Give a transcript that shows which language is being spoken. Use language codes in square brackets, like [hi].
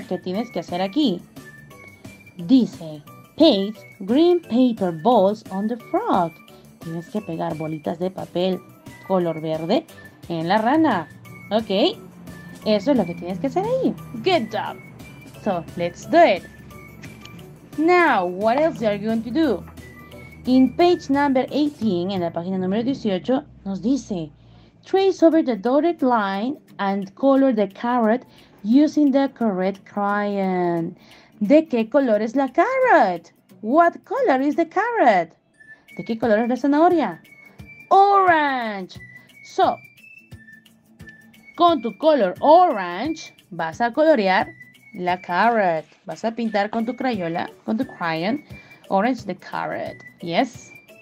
[es] ¿Qué tienes que hacer aquí? Dice, [en] paste green paper balls on the frog. [es] Tienes que pegar bolitas de papel color verde en la rana. Ok. Eso es lo que tienes que hacer ahí. [en] Good job. So, let's do it. Now, what else are you going to do? In page number 18, [es] en la página número 18, nos dice, [en] trace over the dotted line and color the carrot using the correct crayon. [es] ¿De qué color es la carrot? [en] What color is the carrot? [es] ¿De qué color es la zanahoria? Orange. So, con tu color orange, vas a colorear la carrot. Vas a pintar con tu crayola, con tu crayon, orange the carrot. Yes.